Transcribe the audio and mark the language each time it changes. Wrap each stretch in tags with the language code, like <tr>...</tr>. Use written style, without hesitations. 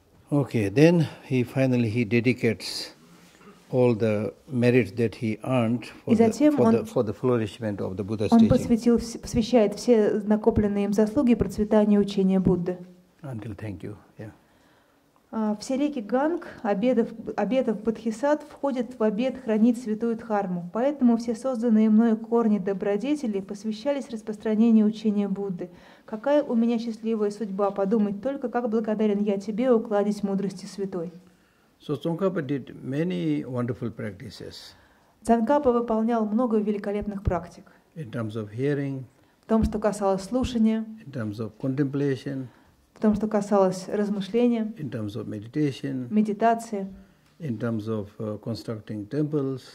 <en>Okay, then he finally dedicates all the merits that he earned for the flourishment of the Buddha's teaching.</en> <ru>Он посвящает все накопленные им заслуги процветанию учения Будды.</ru> <en>Until thank you. Yeah.</en> <ru>Все реки Ганг, обетов Бодхисатт, входят в обет хранить святую Дхарму. Поэтому все созданные мною корни добродетели посвящались распространению учения Будды. Какая у меня счастливая судьба, подумать только, как благодарен я тебе, укладись мудрости святой.</ru> <en>So Tsongkhapa did many wonderful practices.</en> <ru>Цанкапа выполнял много великолепных практик.</ru> <en>In terms of hearing.</en> <ru>В том, что касалось слушания.</ru> <en>In terms of contemplation.</en> <ru>В том, что касалось размышления,</ru> <en>in terms of meditation,</en> <ru>медитации,</ru> <en>in terms of constructing temples,</en>